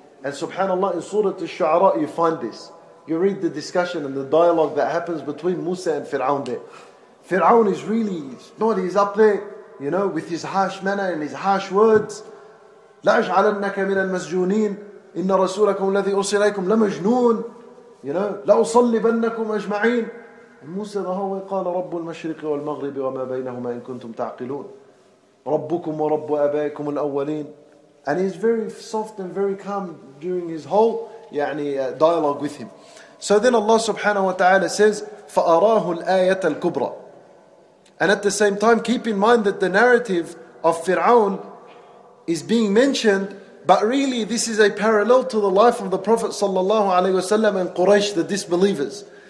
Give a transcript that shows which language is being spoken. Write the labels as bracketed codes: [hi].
[en] And subhanAllah, in Surah Al-Shu'ara, you find this. You read the discussion and the dialogue that happens between Musa and Fir'aun there. Fir'aun is really, he's up there, you know, with his harsh manner and his harsh words. [ar] لَأَجْعَلَنَّكَ مِنَ الْمَسْجُونِينَ إِنَّ رَسُولَكُمْ الَّذِي أُرْسِلَيْكُمْ لَمَجْنُونَ. [en] You know, [ar] لَأُصَلِّبَنَّكُمْ أَجْمَعِينَ. [en] And Musa the whole way, [ar] قَالَ رَبُّ الْمَشْرِقِ وَالْمَغْرِبِ وَمَا بَيْنَهُمَا إِن كُنْتُمْ تَعْقِلُونَ. رَبُّكُمْ وَرَبُّ أَبَائِكُمُ الْأَوَّلِينَ. [en] And he's very soft and very calm during his whole dialogue with him. So then Allah subhanahu wa ta'ala says, [ar] فَأَرَاهُ الْآيَةَ الْكُبْرَى. [en] And at the same time, keep in mind that the narrative of Fir'aun is being mentioned, but really this is a parallel to the life of the Prophet sallallahu alayhi wa sallam and Quraysh, the disbelievers.